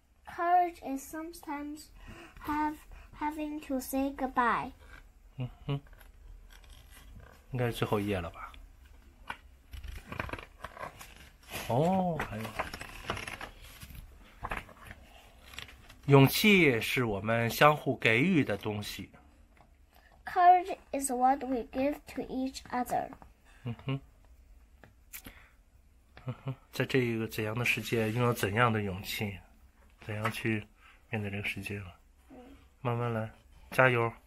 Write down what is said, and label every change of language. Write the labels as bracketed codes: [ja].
[en] Courage is sometimes having to say goodbye. [zh] 嗯哼，应该是最后一页了吧？哦，还有，勇气是我们相互给予的东西。 [en] Courage is what we give to each other. [zh] 嗯哼。在这一个怎样的世界拥有怎样的勇气，怎样去面对这个世界了，慢慢来，加油。